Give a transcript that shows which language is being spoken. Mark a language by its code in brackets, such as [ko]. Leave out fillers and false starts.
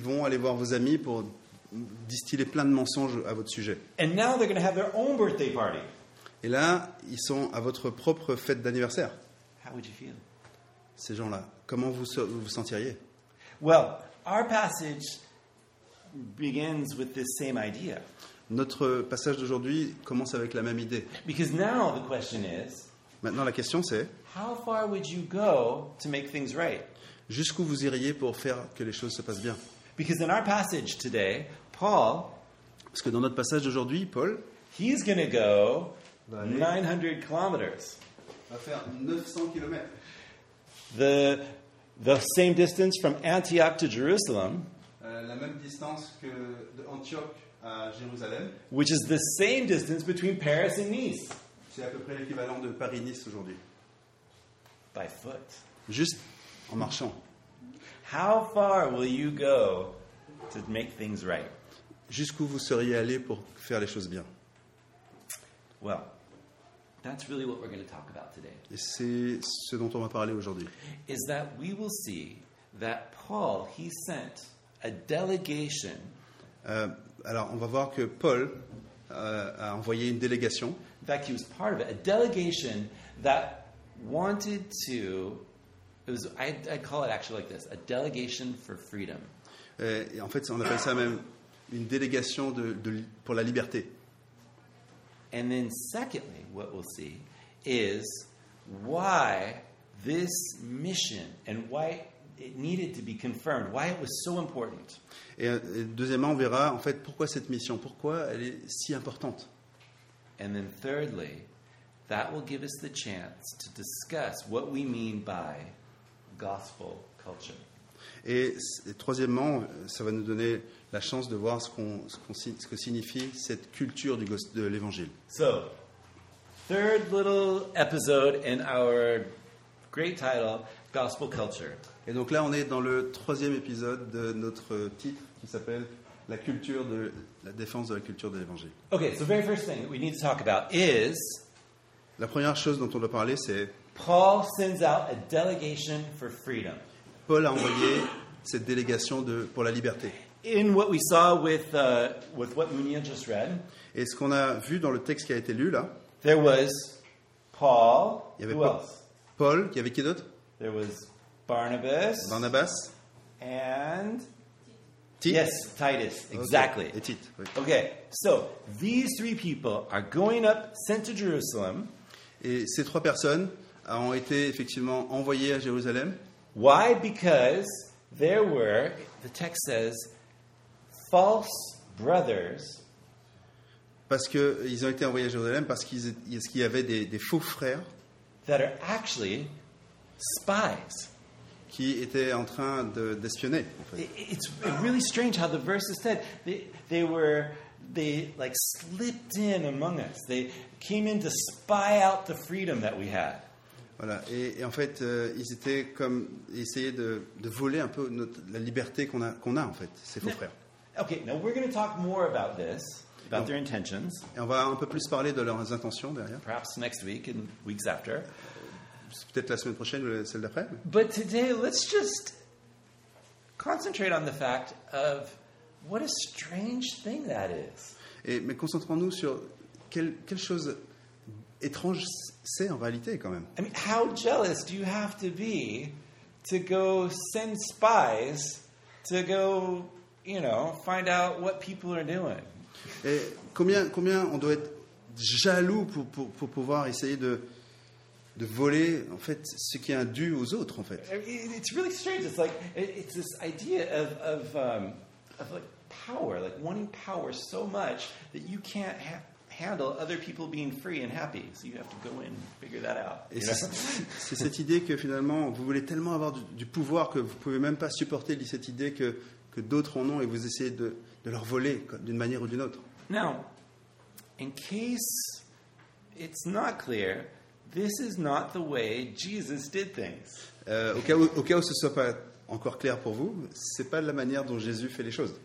[fr] vont aller voir vos amis pour distiller plein de mensonges à votre sujet. [en] And now they're gonna have their own birthday party. [fr] Et là, ils sont à votre propre fête d'anniversaire. [en] How would you feel? [fr] Ces gens-là, comment vous sentiriez? [en] Well, our passage begins with this same idea. [fr] Notre passage d'aujourd'hui commence avec la même idée. [en] Because now the question is, [fr] maintenant, la question c'est [en] how far would you go to make things right? [fr] Jusqu'où vous iriez pour faire que les choses se passent bien? [en] Because in our passage today, Paul, [fr] parce que dans notre passage d'aujourd'hui, Paul, [en] he's going to go 900 kilometers. [fr] Va faire 900 kilomètres. [en] The same distance from Antioch to Jerusalem. [fr] La même distance que de Antioche. [en] Which is the same distance between Paris and Nice. [fr] C'est à peu près l'équivalent de Paris-Nice aujourd'hui. [en] By foot. [fr] Juste en marchant. [en] How far will you go to make things right? [fr] Jusqu'où vous seriez allé pour faire les choses bien? [en] Well, that's really what we're going to talk about today. [fr] Et c'est ce dont on va parler aujourd'hui. [en] Is that we will see that Paul, he sent a delegation. [fr] Alors, on va voir que Paul a envoyé une délégation. [en] In fact, he was part of it. A delegation that wanted to... I call it actually like this. A delegation for freedom. [fr] Et en fait, on appelle ça même une délégation pour la liberté. [en] And then secondly, what we'll see is why this mission and why it needed to be confirmed, why it was so important. [fr] Et deuxièmement, on verra en fait pourquoi cette mission, pourquoi elle est si importante. [en] And then thirdly, that will give us the chance to discuss what we mean by gospel culture. [fr] Et troisièmement, ça va nous donner la chance de voir ce que signifie cette culture de l'Évangile. [en] So, third little episode in our great title, Gospel Culture. [fr] Et donc là, on est dans le troisième épisode de notre titre qui s'appelle La culture de la défense de la culture de l'Évangile. [en] Okay, so very first thing we need to talk about is. [fr] La première chose dont on doit parler, c'est. [en] Paul sends out a delegation for freedom. [fr] Paul a envoyé cette délégation de pour la liberté. [en] In what we saw with what Munir just read. [fr] Et ce qu'on a vu dans le texte qui a été lu là. [en] There was Paul. [fr] Il y avait Paul. Paul. Il y avait qui d'autre? [en] There was Barnabas. [fr] Barnabas. [en] And. [fr] Tite? [en] Yes, Titus, exactly. [fr] Okay. Et Tite, oui. [en] Okay, so these three people are going up, sent to Jerusalem. [fr] Et ces trois personnes ont été effectivement envoyées à Jérusalem. [en] Why? Because there were, the text says, false brothers. [fr] Parce que ils ont été envoyés à Jérusalem parce qu'il y avait des faux frères. [en] That are actually spies. [fr] Qui était en train d'espionner. [en] It's really strange how the verses said they like slipped in among us. They came in to spy out the freedom that we had. [fr] Voilà. Et en fait, ils étaient comme essayaient de voler un peu la liberté qu'on a en fait. Ces faux frères. [en] Okay. Now we're going to talk more about this, about their intentions. [fr] Et on va un peu plus parler de leurs intentions derrière. [en] Perhaps next week and weeks after. [fr] Peut-être la semaine prochaine ou celle d'après. [en] But today, let's just concentrate on the fact of what a strange thing that is. [fr] Mais concentrons-nous sur quelle chose étrange c'est en réalité quand même. [en] I mean, how jealous do you have to be to go send spies to go, you know, find out what people are doing? [fr] Et combien on doit être jaloux pour pouvoir essayer de voler en fait ce qui est dû aux autres en fait. [en] It's really strange. It's like it's this idea of like power, like wanting power so much that you can't handle other people being free and happy. So you have to go in and figure that out. [fr] C'est cette idée que finalement vous voulez tellement avoir du pouvoir que vous pouvez même pas supporter cette idée que d'autres en ont et vous essayez de leur voler d'une manière ou d'une autre. [en] Now, in case it's not clear. This is not the way Jesus did things. [fr] Au cas où ce ne soit pas encore clair pour vous, ce n'est pas la manière dont Jésus fait les choses.